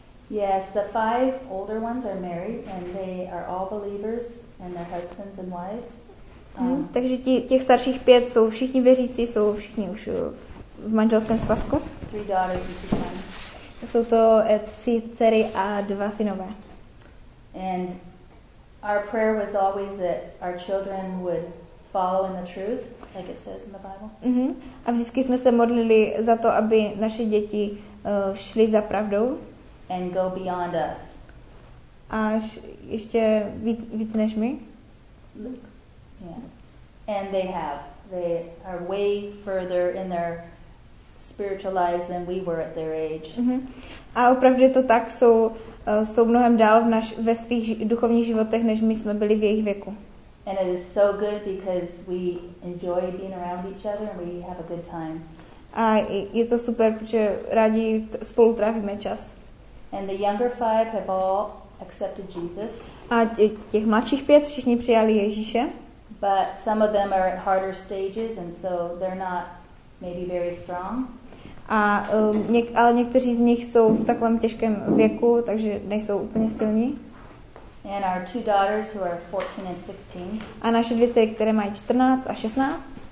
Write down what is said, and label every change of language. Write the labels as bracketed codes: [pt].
[en] Yes, the 5 older ones are married and they are all believers and their husbands and wives. [cs] Takže těch starších 5 jsou všichni věřící, jsou všichni už v manželském svazku. [en] 3 daughters and 2 sons. [cs] Jsou to 3 dcery a 2 synové. [en] And our prayer was always that our children would follow in the truth, like it says in the Bible. [cs] A vždycky jsme se modlili za to, aby naše děti šly za pravdou. [en] And go beyond us. [cs] Až ještě víc než my. [en] Yeah. And they have. They are way further in their spiritual lives than we were at their age. [cs] A opravdu je to tak, jsou mnohem dál ve svých duchovních životech, než my jsme byli v jejich věku. [en] And it is so good because we enjoy being around each other and we have a good time. [cs] A je to super, protože rádi spolu trávíme čas. [en] And the younger 5 have all accepted Jesus. [cs] A těch mladších 5 všichni přijali Ježíše. [en] But some of them are at harder stages and so they're not maybe very strong. [cs] Ale někteří z nich jsou v takovém těžkém věku, takže nejsou úplně silní. [en] And our 2 daughters who are 14 and 16. [cs] A naše 2 dcery, které mají 14 a 16,